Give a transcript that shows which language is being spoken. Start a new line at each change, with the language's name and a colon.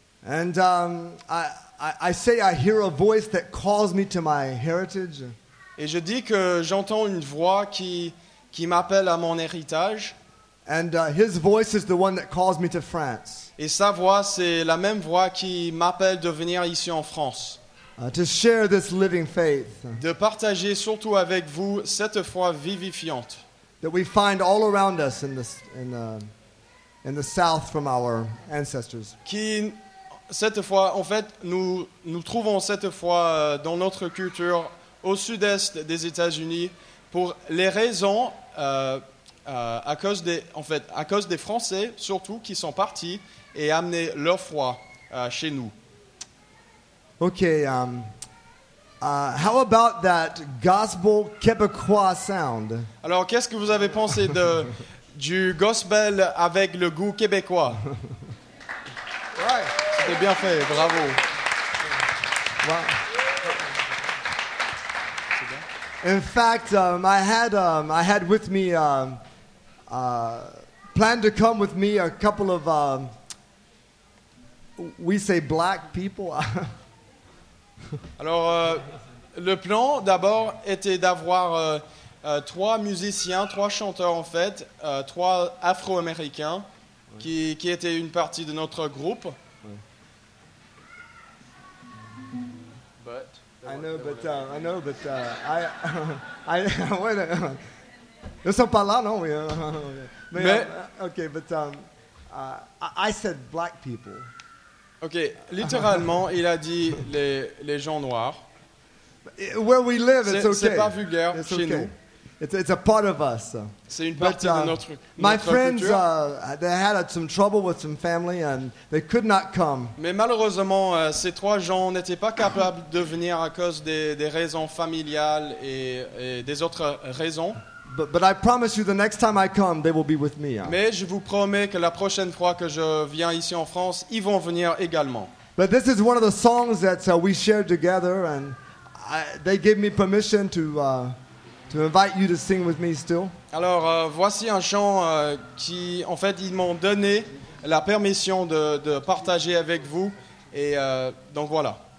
English: And I say I hear a voice that calls me to my heritage.
French: Et je dis que j'entends une voix qui m'appelle à mon héritage.
English: And his voice is the one that calls me to France.
French: Et sa voix, c'est la même voix qui m'appelle de venir ici en France.
English: To share this living faith.
French: De partager surtout avec vous cette foi vivifiante.
English: That we find all around us in the south from our ancestors.
French: Qui cette foi en fait nous trouvons cette foi dans notre culture au sud-est des États-Unis pour les raisons à cause des Français surtout qui sont partis et amené leur foi chez nous.
English: Okay, how about that gospel québécois sound?
French: Alors, qu'est-ce que vous avez pensé du gospel avec le goût québécois?
English: Right.
French: C'était bien fait, bravo.
English: Wow. In fact, I had with me, planned to come with me a couple of, we say black people.
French: Alors, le plan d'abord était d'avoir trois musiciens, trois chanteurs en fait, trois Afro-Américains qui étaient une partie de notre groupe. Ils ne sont pas là, non?
English: I said black people.
French: Ok, littéralement, il a dit les gens noirs.
English: Where we live,
French: c'est,
English: it's okay.
French: C'est pas vulgaire
English: it's
French: chez
English: okay.
French: nous.
English: It's a part of us.
French: C'est une partie de notre culture.
English: My friends, they had some trouble with some family and they could not come.
French: Mais malheureusement, ces trois gens n'étaient pas capables de venir à cause des raisons familiales et des autres raisons.
English: But I promise you, the next time I come, they will be with me.
French: Mais je vous promets que la prochaine fois que je viens ici en France, ils vont venir également.
English: But this is one of the songs that we shared together, and they gave me permission to invite you to sing with me still.
French: Alors voici un chant qui, en fait, ils m'ont donné la permission de partager avec vous, et donc voilà.